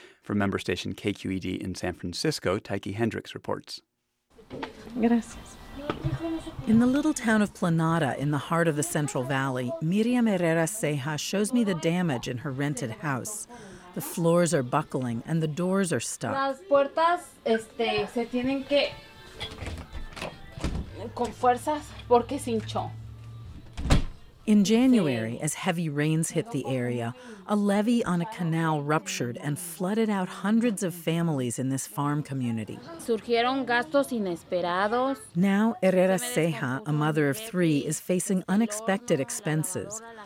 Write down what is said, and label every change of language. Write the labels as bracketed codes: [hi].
[en] From member station KQED in San Francisco, Taiki Hendricks reports. [es] Gracias. [en] In the little town of Planada, in the heart of the Central Valley, Miriam Herrera Ceja shows me the damage in her rented house. The floors are buckling and the doors are stuck. [es] Las puertas, se tienen que con fuerzas porque se hinchó. [en] In January, as heavy rains hit the area, a levee on a canal ruptured and flooded out hundreds of families in this farm community. [es] Surgieron gastos inesperados. [en] Now, Herrera Ceja, a mother of three, is facing unexpected expenses.